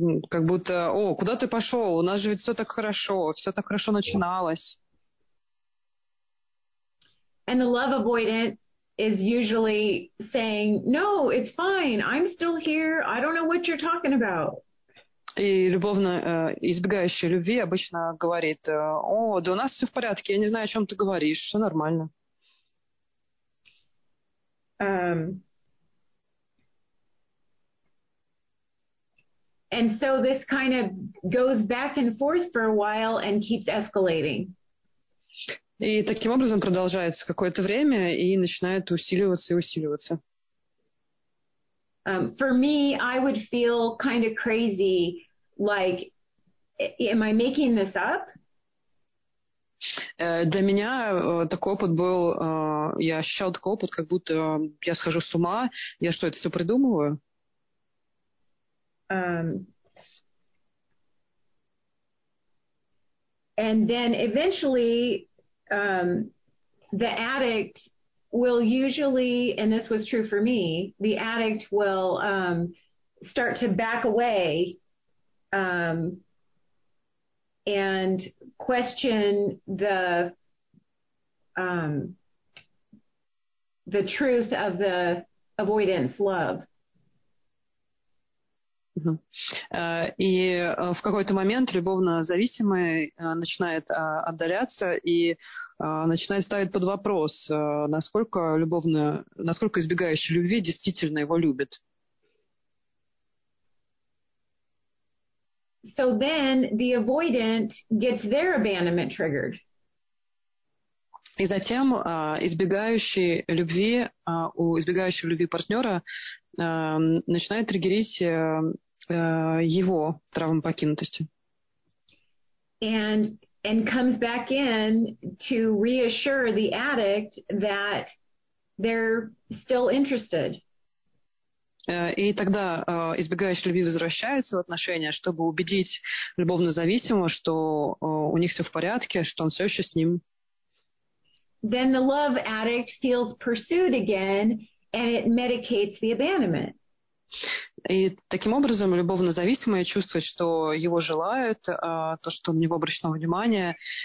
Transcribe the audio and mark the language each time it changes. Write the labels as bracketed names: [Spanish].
[Russian] Как будто, о, куда ты пошел? У нас же ведь все так хорошо начиналось. [English] And the love avoidant is usually saying, no, it's fine. I'm still here. I don't know what you're talking about. [Russian] И любовно избегающая любви обычно говорит, о, да у нас все в порядке, я не знаю, о чем ты говоришь, все нормально. [English] And so this kind of goes back and forth for a while and keeps escalating. [Russian] И таким образом продолжается какое-то время и начинает усиливаться и усиливаться. [English] For me, I would feel kind of crazy, like, am I making this up? [Russian] Для меня такой опыт был, я ощущал такой опыт, как будто я схожу с ума, я что, это все придумываю? [English] And then eventually the addict will usually, and this was true for me, the addict will start to back away and question the truth of the avoidance love. [Russian] И в какой-то момент любовно зависимый начинает отдаляться и начинает ставить под вопрос, насколько любовно, насколько избегающий любви действительно его любит. [English] So then the avoidant gets their abandonment triggered. [Russian] И затем избегающий любви, у избегающего любви партнера начинает триггерить его травмы покинутости. [English] And comes back in to reassure the addict that they're still interested. [Russian] И тогда избегающий любви возвращается в отношения, чтобы убедить любовно зависимого, что у них все в порядке, что он все еще с ним. [English] Then the love addict feels pursued again, and it medicates the abandonment. [Russian] И таким образом любовно зависимое чувствует, что его желают, то, что на него обращено внимание.